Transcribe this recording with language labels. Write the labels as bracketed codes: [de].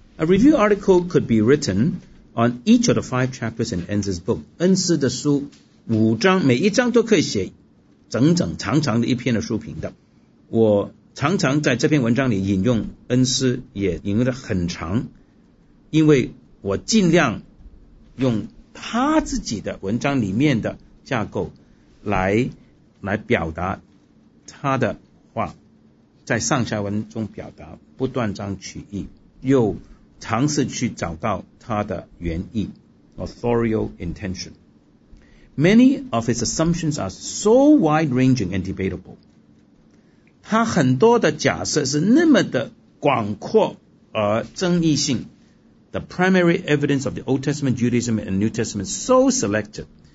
[en] A review article could be written on each of the five chapters in Enns' book. [zh] 恩斯的书五章，每一章都可以写整整长长的一篇的书评的。我常常在这篇文章里引用恩斯，也引用的很长，因为我尽量用他自己的文章里面的架构来表达他的话，在上下文中表达，不断章取义，又尝试去找到他的原意 [en] authorial intention. Many of his assumptions are so wide-ranging and debatable. [zh] 他很多的假设是那么的广阔而争议性。 [en] The primary evidence of the Old Testament Judaism and New Testament so selective.